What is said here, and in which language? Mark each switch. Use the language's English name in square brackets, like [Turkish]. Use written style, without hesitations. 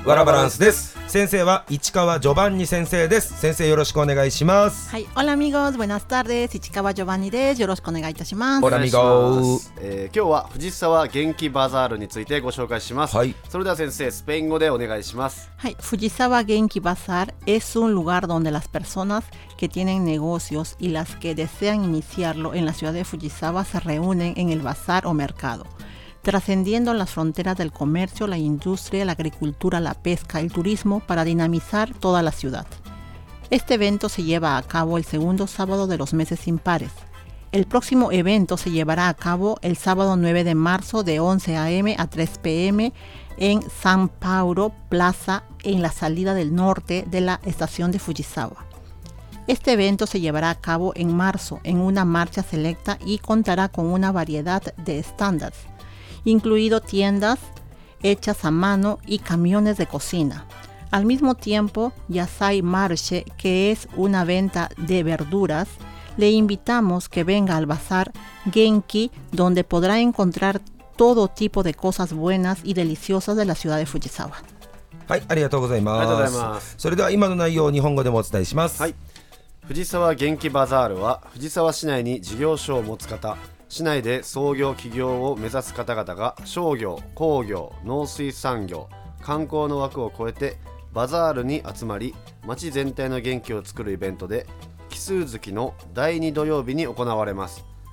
[Japanese] ワラバランスです。先生は市川ジョバンニ先生です。先生よろしくお願いします。はい、 [Spanish] オラミゴーズ、ブエナスタル [Japanese] です。市川ジョバンニです。よろしくお願いいたします。 [Spanish] オラミゴーズ、 [Japanese] 今日は藤沢元気バザールについてご紹介します。はい、それでは先生スペイン語でお願いします。 [Spanish] はい、藤沢元気バザール es un lugar donde las personas que tienen negocios y las que desean iniciarlo en la ciudad de Fujisawa se reúnen en el bazar o mercado. Trascendiendo las fronteras del comercio, la industria, la agricultura, la pesca, el turismo para dinamizar toda la ciudad. Este evento se lleva a cabo el segundo sábado de los meses impares. El próximo evento se llevará a cabo el sábado 9 de marzo de 11 a.m. a 3 p.m. en San Pauro Plaza en la salida del norte de la estación de Fujisawa. Este evento se llevará a cabo en marzo en una marcha selecta y contará con una variedad de estándares. Incluido tiendas hechas a mano y camiones de cocina. Al mismo tiempo, Yasai Marche, que es una venta de verduras, le invitamos que venga al bazar Genki, donde podrá encontrar todo tipo de cosas buenas y deliciosas de la ciudad de Fujisawa. [Japanese] はい、ありがとうございます。ありがとうございます。それでは今の内容を日本語でもお伝えします。はい。藤沢元気バザールは、藤沢市内に事業所を持つ方、市内で創業起業を目指す方々が商業、工業、農水産業、観光の枠を超えてバザールに集まり、町全体の元気を作るイベントで、奇数月の第2土曜日に行われます。